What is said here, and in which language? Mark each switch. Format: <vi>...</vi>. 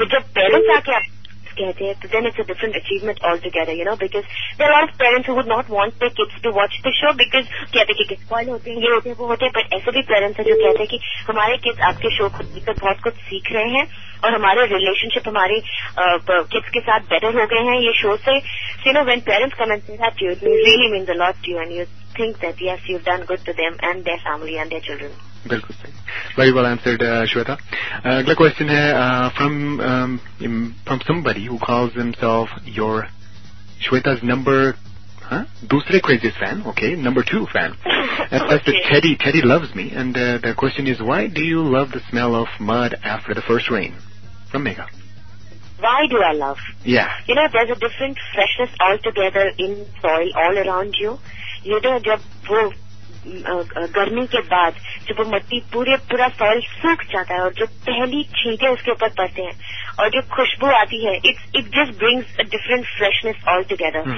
<en>But the parents are kept. Then it's a different achievement altogether, you know, because there are a lot of parents who would not want their kids to watch the show because</en> <hi>कहते कि kids spoil होते हैं,</hi> <en>ये होते हैं, वो होते हैं, but</en> <hi>ऐसे भी parents हैं जो कहते हैं कि हमारे kids आपके show को देखकर बहुत कुछ सीख रहे हैं और हमारे relationship हमारे kids के साथ better हो गए हैं ये show से.</hi> <en>So, you know, when parents come and say that to you, it really means a lot to you, and you think that yes, you've done good to them and their family and their children.</en> <hi>बिल्कुल सही,</hi> <en>very well answered</en> <hi>Shweta.</hi> <en>अगला क्वेश्चन है from somebody who calls himself your Shweta's number दूसरे craziest fan, okay number two fan, Teddy. Teddy loves me and the question is why do you love the smell of mud after the first rain from Megha. Why do I love? Yeah. You know, there's a different freshness altogether in soil all around you.</en> <hi>You know, जब वो गर्मी के बाद जब वो मिट्टी पूरा soil सूख जाता है और जो पहली छींटे उसके ऊपर पड़ते हैं और जो खुशबू आती है,</hi> <en>It just brings a different freshness altogether.</en>